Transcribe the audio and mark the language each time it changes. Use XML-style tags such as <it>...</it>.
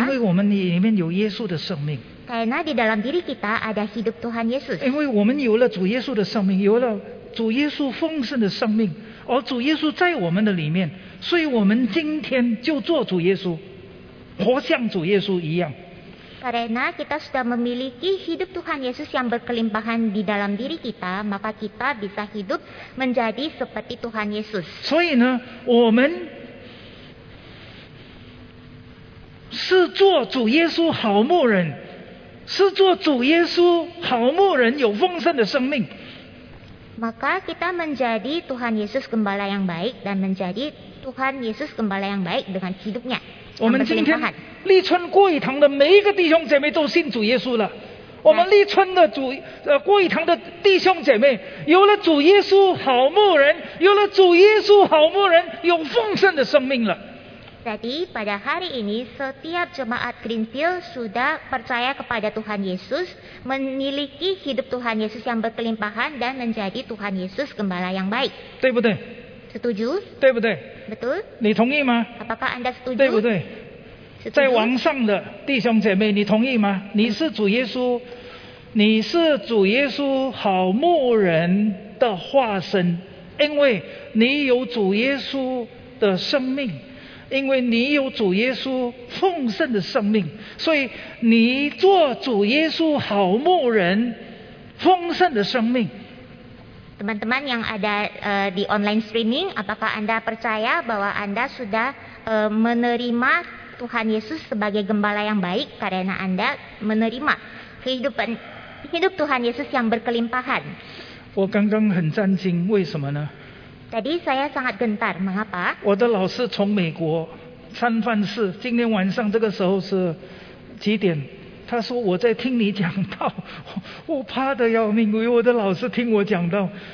<zh>因为我们里面有耶稣的生命。</zh> <id>Karena di dalam diri kita ada hidup Tuhan Yesus.</id> <zh>因为我们有了主耶稣的生命，有了主耶稣丰盛的生命，而主耶稣在我们的里面，所以我们今天就做主耶稣，活像主耶稣一样。</zh> <id>Karena kita sudah memiliki hidup Tuhan Yesus yang berkelimpahan di dalam diri kita, maka kita bisa hidup menjadi seperti Tuhan Yesus.</id> <zh>所以呢，我们是做主耶稣好牧人，是做主耶稣好牧人，有丰盛的生命。</zh> <id>Maka kita menjadi Tuhan Yesus gembala yang baik dan menjadi Tuhan Yesus gembala yang baik dengan hidupnya.</id> <zh>我们今天立春过一堂的每一个弟兄姐妹都信主耶稣了。我们立春的主过一堂的弟兄姐妹，有了主耶稣好牧人，有了主耶稣好牧人，有丰盛的生命了。</zh> <id>Jadi pada hari ini setiap jemaat Greenfield sudah percaya kepada Tuhan Yesus, memiliki hidup Tuhan Yesus yang berkelimpahan dan menjadi Tuhan Yesus gembala yang baik.</id> <zh>对不对？</zh> <id>Setuju?</id> <zh>对不对？</zh> <id>Betul?</id> <zh>你同意吗？</zh> <id>Apakah anda setuju?</id> <zh>对不对？</zh> <id>Setuju?</id> <zh>在网上的弟兄姐妹，你同意吗？你是主耶稣，你是主耶稣好牧人的化身，因为你有主耶稣的生命，因为你有主耶稣奉献的生命，所以你做主耶稣好牧人奉献的生命。</zh> <id>Teman-teman yang ada di online streaming, apakah Anda percaya bahwa Anda sudah menerima Tuhan Yesus sebagai gembala yang baik karena Anda menerima kehidupan hidup Tuhan Yesus yang berkelimpahan?</id> <zh>我刚刚很震惊，为什么呢？</zh> <id>Tadi saya sangat gentar, mengapa?</id> <zh>我的老师从美国参饭室，今天晚上这个时候是几点？他说我在听你讲道，我怕得要命，因为我的老师听我讲道。</zh>